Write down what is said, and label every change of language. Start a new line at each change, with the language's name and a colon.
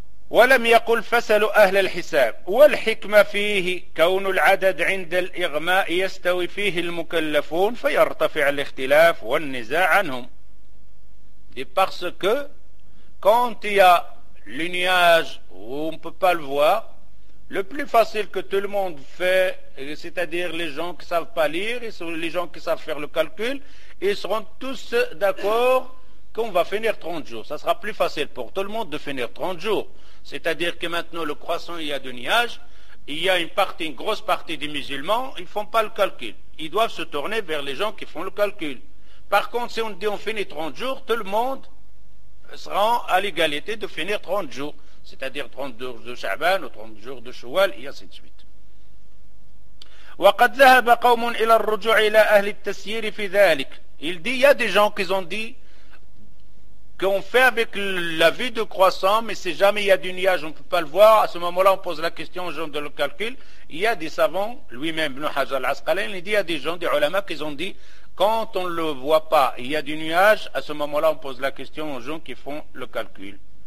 Arabic: ولم يقل فسل أهل الحساب والحكمة فيه كون العدد عند الإغماء يستوي فيه المكلفون فيرتفع الاختلاف والنزاع عنهم.
French: Et parce que quand il y a le nuage où on ne peut pas le voir, le plus facile que tout le monde fait, c'est-à-dire les gens qui ne savent pas lire et les gens qui savent faire le calcul, ils seront tous d'accord qu'on va finir 30 jours. Ça sera plus facile pour tout le monde de finir 30 jours. C'est-à-dire que maintenant, le croissant, il y a du nuage, il y a une grosse partie des musulmans, ils ne font pas le calcul. Ils doivent se tourner vers les gens qui font le calcul. Par contre, si on dit on finit 30 jours, tout le monde sera à l'égalité de finir 30 jours. C'est-à-dire 30 jours de Sha'ban ou 30 jours de Shawwal, et ainsi de suite.
Arabic: وقد ذهب قوم الى الرجوع الى اهل التسيير في ذلك.
French: Il dit, il y a des gens qui ont dit qu'on fait avec la vue de croissant, mais si jamais il y a du nuage, on ne peut pas le voir. À ce moment-là, on pose la question aux gens de le calcul. Il y a des savants, lui-même, Ibn Hajar al-Asqalani, il dit, il y a des gens, des ulama, qui ont dit, quand on ne le voit pas, il y a du nuage, à ce moment-là, on pose la question aux gens qui font le calcul.